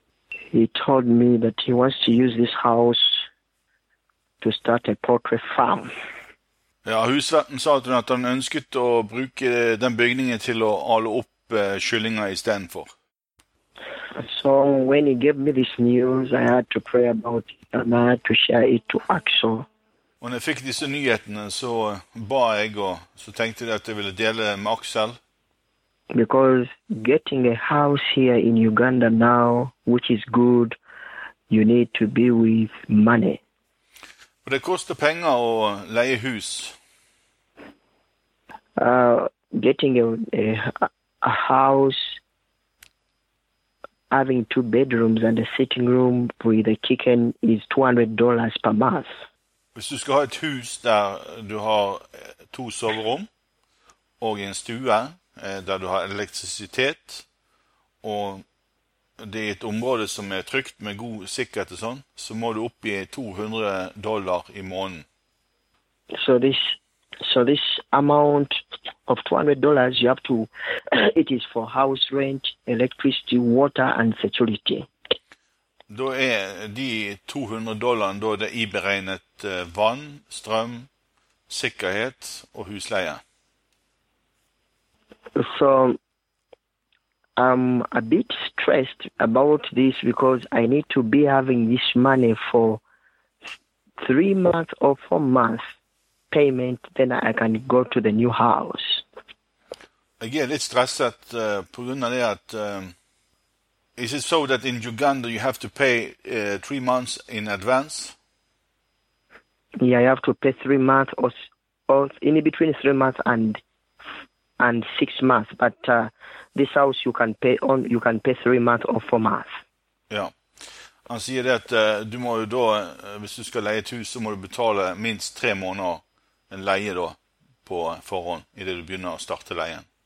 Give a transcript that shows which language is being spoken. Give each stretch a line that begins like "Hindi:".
English: He told me that he wants to use this house to start a poultry farm.
Norwegian: Ja, husvetten sa til meg at han ønsket å bruke den bygningen til å ale opp kyllinger i stedet for.
English: So when he gave me this news, I had to pray about it and I had to share it to Axel.
Norwegian: Og når jeg fikk disse nyhetene, så ba jeg og så tenkte jeg at jeg ville dele med Axel.
English: Because getting a house here in Uganda now, which is good, you need to be with money.
Norwegian: Og det koster penger å leie hus.
English: Getting a house, having two bedrooms and a sitting room with a kitchen is $200 per month.
Norwegian: Hvis du skal ha et hus der du har to soverom og en stue der du har elektrisitet og det er et område som er trygt med god sikkerhet og sånn, så må du oppgi $200 i måneden.
English: So this amount of $200 you have to, it is for house rent, electricity, water and security.
Norwegian: Da er de $200, da er det iberegnet vann, strøm, sikkerhet og husleie.
English: So, I'm a bit stressed about this because I need to be having this money for 3 months or 4 months payment, then I can go to the new house.
Norwegian: Jeg er litt stresset på grunn av det at
English: is it so that in Uganda you have to pay 3 months in advance? Yeah, you have to pay 3 months or in between 3 months and 6 months. But this house you can pay on, you can pay 3 months or 4 months. Yeah.
Norwegian: Han sier det at du må jo da, hvis du skal leie et hus, så må du betale minst 3 måneder en leie da på forhånd i det du begynner å starte leien.